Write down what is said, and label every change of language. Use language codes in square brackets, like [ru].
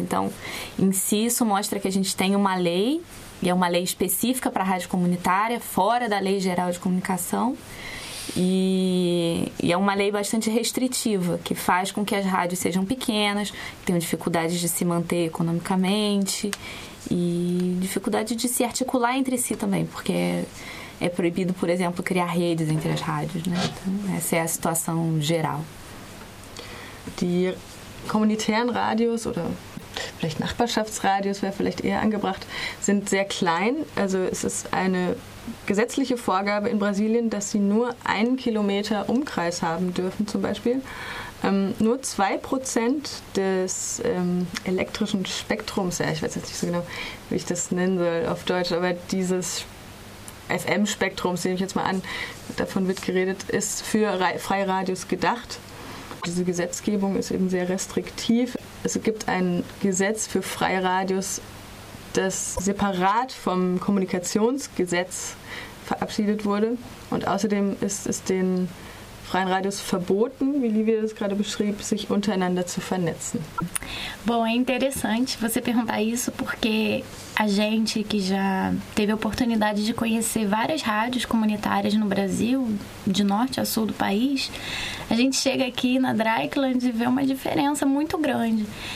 [pt] Então, em si, isso mostra que a gente tem uma lei, e é uma lei específica para a rádio comunitária, fora da lei geral de comunicação, e é uma lei bastante restritiva, que faz com que as rádios sejam pequenas, que tenham dificuldades de se manter economicamente, e dificuldade de se articular entre si também, porque é proibido, por exemplo, criar redes entre as rádios, né? Então, essa é a situação geral. [de] Die kommunitären Radios oder vielleicht Nachbarschaftsradios wäre vielleicht eher angebracht, sind sehr klein. Also es ist eine gesetzliche Vorgabe in Brasilien, dass sie nur 1 Kilometer Umkreis haben dürfen, zum Beispiel. Nur 2% des elektrischen Spektrums, ja, ich weiß jetzt nicht so genau, wie ich das nennen soll auf Deutsch, aber dieses FM-Spektrum, sehe ich jetzt mal an, davon wird geredet, ist für freie Radios gedacht. Diese Gesetzgebung ist eben sehr restriktiv. Es gibt ein Gesetz für freie Radios, das separat vom Kommunikationsgesetz verabschiedet wurde. Und außerdem ist es den freien Radios verboten, wie Livia das gerade beschrieb, sich untereinander zu vernetzen. [pt] Bom, é interessante você perguntar isso, porque a gente que já teve a oportunidade de conhecer várias rádios comunitárias no Brasil, de norte a sul do país, a gente chega aqui na Dreikland e vê uma diferença muito grande,